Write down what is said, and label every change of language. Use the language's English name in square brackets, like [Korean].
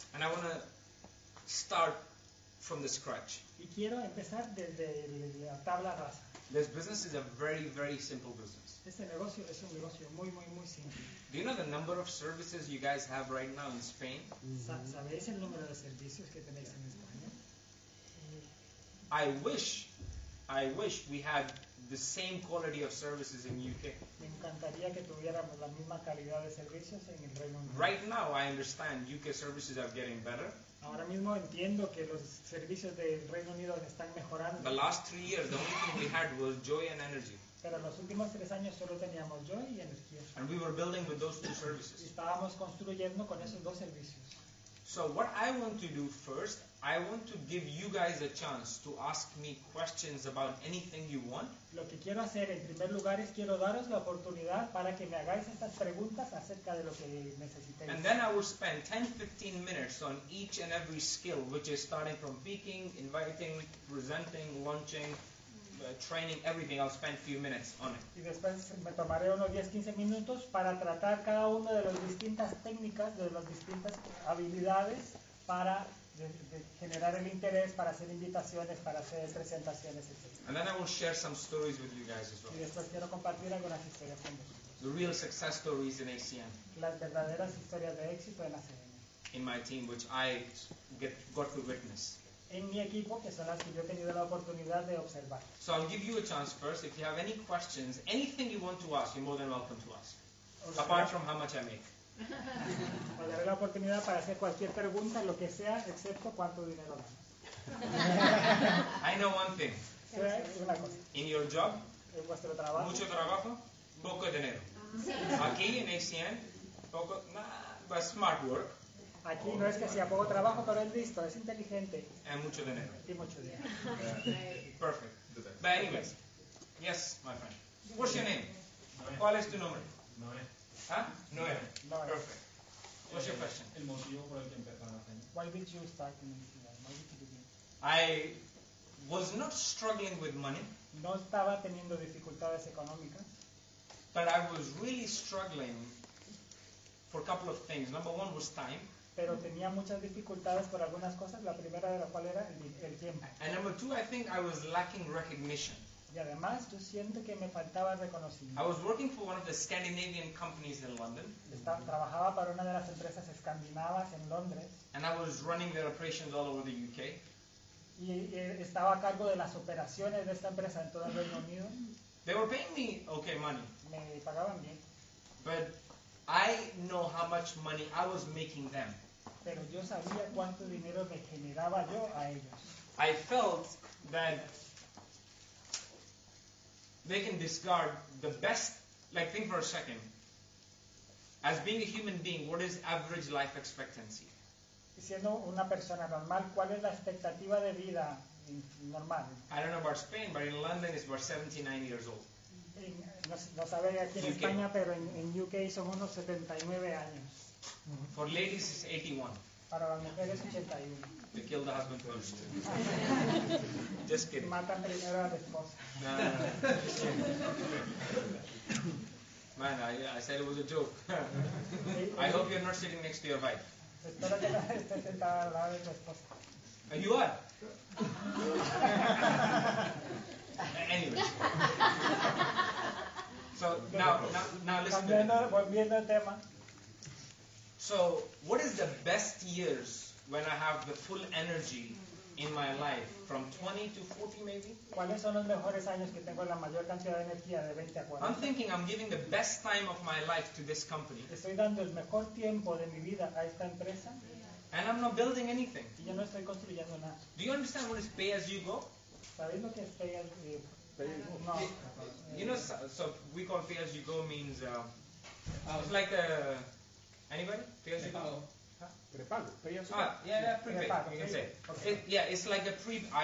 [English] And I want to start from the scratch. [Spanish] Y quiero empezar desde la tabla rasa. [English] This business is a very, very simple business. [Spanish] Este negocio es un negocio muy, muy, muy simple. [English] Do you know the number of services you guys have right now in Spain? [Spanish] ¿Sabéis el número de servicios que tenéis en España? [English] I wish we had the same quality of services in UK. [Spanish] Me encantaría que tuviéramos la misma calidad de servicios en el Reino Unido. [English] Right now, I understand UK services are getting better. [Spanish] Ahora mismo entiendo que los servicios del Reino Unido están mejorando. [English] The last 3 years, the only thing we had was joy and energy. [Spanish] Pero los últimos 3 años solo teníamos joy y energía. [English] And we were building with those two services. [Spanish] Y estábamos construyendo con esos dos servicios. [English] So what I want to do first, I want to give you guys a chance to ask me questions about anything you want. [Spanish] Lo que quiero hacer en primer lugar es quiero daros la oportunidad para que me hagáis estas preguntas acerca de lo que necesitéis. [English] And then I will spend 10-15 minutes on each and every skill, which is starting from speaking, inviting, presenting, launching, training, everything. I'll spend a few minutes on it. [Spanish] Y después me tomaré unos 10-15 minutos para tratar cada una de las distintas técnicas, de las distintas habilidades para de generar el interés, para hacer invitaciones, para hacer presentaciones, etc. [English] And then I will share some stories with you guys as well. [Spanish] Y después quiero compartir algunas historias con vosotros. [English] The real success stories in ACM. [Spanish] Las verdaderas historias de éxito en ACM. [English] In my team, which I got to witness. [Spanish] En mi equipo, que son las que yo he tenido la oportunidad de observar. [English] So I'll give you a chance first. If you have any questions, anything you want to ask, you're more than welcome to ask. Apart from how much I make. [Spanish] Os daré la oportunidad para hacer cualquier pregunta, lo que sea, excepto cuánto dinero dan. [English] I know one thing. [Spanish] Una cosa. [English] In your job, [Spanish] en vuestro trabajo, mucho trabajo, poco dinero. Aquí en ACN, poco, nah, [English] but smart work. [Spanish] Aquí no es que sea poco trabajo, pero es listo, es inteligente. Y mucho dinero. Y mucho dinero. [English] Perfect. But anyways, yes, my friend. What's your name? [Spanish] ¿Cuál es tu nombre? Noé. [English] ¿Ah? Noé. Noé. Perfect. What's your question? [Spanish] El motivo por el que empezaste. [English] Why did you start in this field? Why did you begin? I was not struggling with money. [Spanish] No estaba teniendo dificultades económicas. [English] But I was really struggling for a couple of things. Number one was time. [Spanish] Pero tenía muchas dificultades por algunas cosas. La primera de la cual era el tiempo. [English] And number two, I think I was lacking recognition. [Spanish] Y además, yo siento que me faltaba reconocimiento. [English] I was working for one of the Scandinavian companies in London. [Spanish] Trabajaba para una de las empresas escandinavas en Londres. [English] And I was running their operations all over the UK. [Spanish] Y estaba a cargo de las operaciones de esta empresa en todo el Reino Unido. [English] They were paying me okay money. [Spanish] Me pagaban bien. [English] But I know how much money I was making them. [Spanish] Pero yo sabía cuánto dinero me generaba yo a ellos. [English] I felt that they can discard the best. Like, think for a second. As being a human being, what is average life expectancy? [Spanish] Siendo una persona normal, ¿cuál es la expectativa de vida normal? [English] I don't know about Spain, but in London it's about 79 years old. [Spanish] No sabéis aquí en España, pero en UK son unos 79 años. [English] For ladies it's 81. [Spanish] Para las mujeres 81. [English] They kill the husband first. Just kidding. [Spanish] Matan primero a la esposa. [English] No. Man, I said it was a joke. I hope you're not sitting next to your wife. [Spanish] Espero que no esté sentada al lado de tu esposa. [English] You are. Anyway. So now listen. [Spanish] Volviendo al tema. [English] So what is the best years when I have the full energy in my life, from 20 to 40 maybe? [Spanish] ¿Cuáles son los mejores años que tengo la mayor cantidad de energía de 20 a 40? [English] I'm thinking I'm giving the best time of my life to this company. [Spanish] Estoy dando el mejor tiempo de mi vida a esta empresa. [English] And I'm not building anything. [Spanish] Y yo no estoy construyendo nada. [English] Do you understand what is pay as you go? [Spanish] ¿Sabes lo que es [English] pay as you go? [Spanish] No. [English] You know, so we call pay as you go means it's like a anybody pay as you go. Prepago. Yeah, prepaid. You can say. Okay. It's like a pre.